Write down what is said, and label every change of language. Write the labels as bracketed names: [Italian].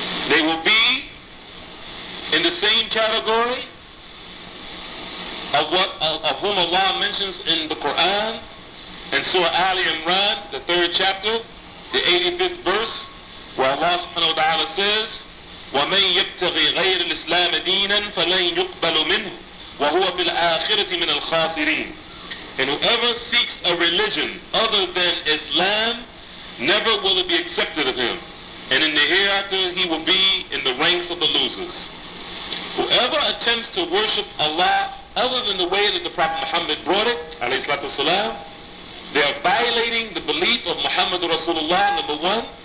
[English] they will be in the same category of whom Allah mentions in the Quran and Surah Ali Imran, the 3rd chapter, the 85th verse, where Allah subhanahu wa ta'ala says, [Arabic] وَمَنْ يَبْتَغِي غَيْرِ الْإِسْلَامِ دِينًا فَلَنْ يُقْبَلُ مِنْهُ وهو في الآخرة من الخاسرين. [English] And whoever seeks a religion other than Islam, never will it be accepted of him. And in the hereafter, he will be in the ranks of the losers. Whoever attempts to worship Allah other than the way that the Prophet Muhammad brought it, alayhi salatu wasalam, they are violating the belief of Muhammad Rasulullah, number one.